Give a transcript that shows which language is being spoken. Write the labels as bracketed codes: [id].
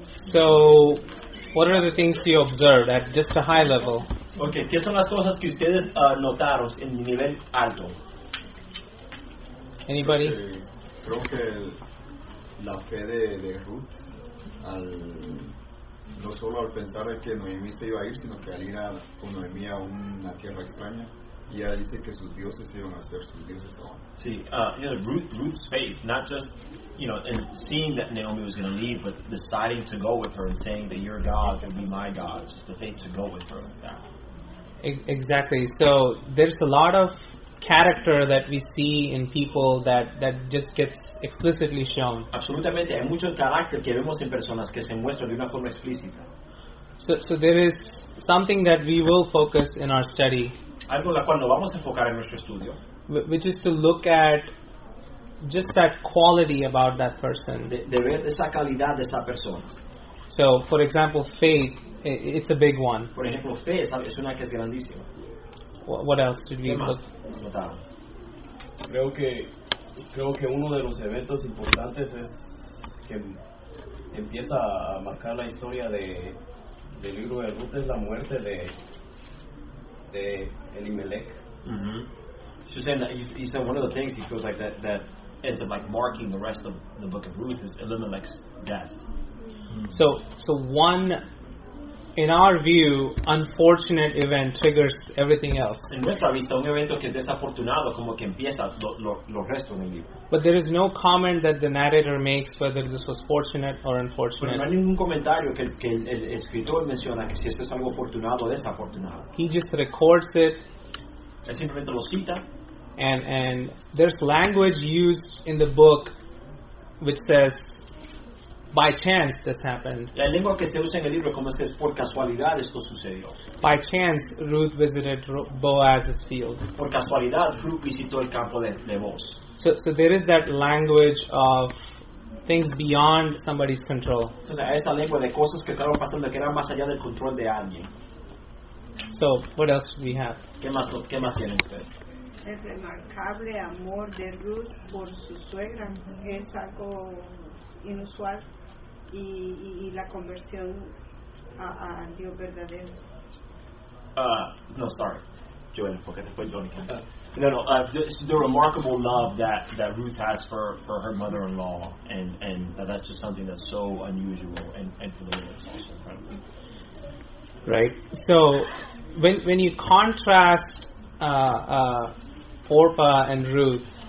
[en] So, what are the things you observed at just a high level? [es] Okay, ¿qué son las cosas que ustedes notaron en nivel alto? [en] Anybody? [es] Creo que la fe de Ruth al no solo al pensar de que Noemí se iba a ir, sino que al ir a, con Noemí a una tierra extraña, y ella dice que sus dioses iban a ser sus dioses ahora. [en] Sí, Ruth's faith, not just, you know, and seeing that Naomi was going to leave, but deciding to go with her and saying that your God can be my God, just the faith to go with her. Exactly. So there's a lot of character that we see in people that just gets explicitly shown. [es] Absolutamente, hay mucho carácter que vemos en personas que se muestra de una forma explícita. [en] So there is something that we will focus in our study. [es] Algo en la cual nos vamos a enfocar en nuestro estudio. [en] Which is to look at just that quality about that person. [es] De ver esa calidad de esa persona. [en] So, for example, faith, it's a big one. [es] Por ejemplo, fe es una que es grandísima. [en] What else did we [es] notar? Creo que uno de los eventos importantes es que empieza a marcar la historia del libro de Ruth es la muerte de Elimelech. Mm-hmm. [en] So then you said one of the things he feels like that ends up like marking the rest of the book of Ruth is Elimelech's death. Mm-hmm. So one, in our view, unfortunate event triggers everything else. [es] En nuestra vista, un evento que es desafortunado como que empieza lo resto en el libro. [en] But there is no comment that the narrator makes whether this was fortunate or unfortunate. [es] Pero no hay ningún comentario que el escritor menciona que si esto es algo afortunado o desafortunado. [en] He just records it. [es] Él simplemente lo cita. [en] And there's language used in the book which says, by chance, this happened. [es] La lengua que se usa en el libro como es que es por casualidad esto sucedió. [en] By chance, Ruth visited Boaz's field. [es] Por casualidad, Ruth visitó el campo de Boaz. [en] So there is that language of things beyond somebody's control. [es] Entonces, hay esta lengua de cosas que estaban pasando que eran más allá del control de alguien. [en] So, what else do we have? [es] ¿Qué más tienen ustedes? El remarcable amor de Ruth por su suegra es algo inusual y la conversión a Dios verdadero. No, sorry. Joel, porque después Johnny can't. [en] The remarkable love that Ruth has for her mother-in-law, and that's just something that's so unusual and for the Lord, it's also incredible. Right. So, when you contrast Orpah and Ruth,